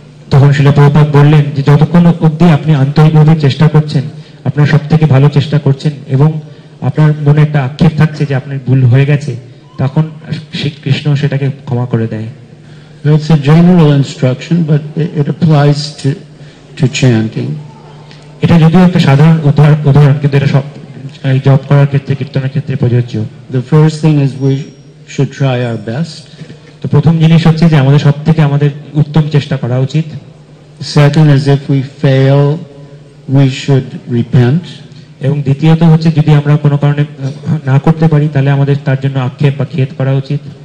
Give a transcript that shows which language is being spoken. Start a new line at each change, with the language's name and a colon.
Bangla: তখন Srila Prabhupada বললেন যে যতক্ষণ অবধি আপনি আন্তরিকভাবে চেষ্টা করছেন, আপনার সব থেকে ভালো চেষ্টা করছেন এবং আপনার মনে একটা আক্ষেপ থাকছে যে আপনার ভুল হয়ে গেছে, তখন কৃষ্ণ সেটাকে ক্ষমা করে দেয়।
English: It's a general instruction, but it applies to chanting.
Bangla: এটা যদিও একটা সাধারণ উদাহরণ, কিন্তু এটা সব জপ করার ক্ষেত্রে, কীর্তনের ক্ষেত্রে প্রযোজ্য।
English: The first thing is we should try our best.
Bangla: তো প্রথম জিনিস হচ্ছে যে আমাদের সব থেকে আমাদের উত্তম চেষ্টা করা উচিত।
English: Second is if we fail, we should repent.
Bangla: এবং দ্বিতীয়ত হচ্ছে যদি আমরা কোনো কারণে না করতে পারি, তাহলে আমাদের তার জন্য আক্ষেপ বা খেদ করা উচিত।